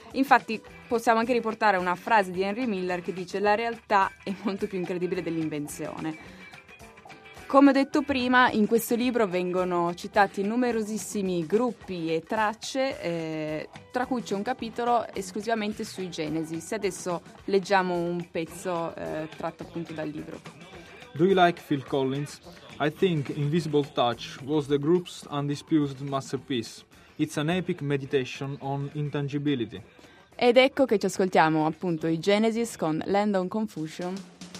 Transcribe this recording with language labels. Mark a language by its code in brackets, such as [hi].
[it] Infatti possiamo anche riportare una frase di Henry Miller che dice: la realtà è molto più incredibile dell'invenzione. Come ho detto prima, in questo libro vengono citati numerosissimi gruppi e tracce, tra cui c'è un capitolo esclusivamente sui Genesis. Adesso leggiamo un pezzo tratto appunto dal libro. [en] Do you like Phil Collins? I think Invisible Touch was the group's undisputed masterpiece. It's an epic meditation on intangibility. [it] Ed ecco che ci ascoltiamo appunto i Genesis con Land on Confusion.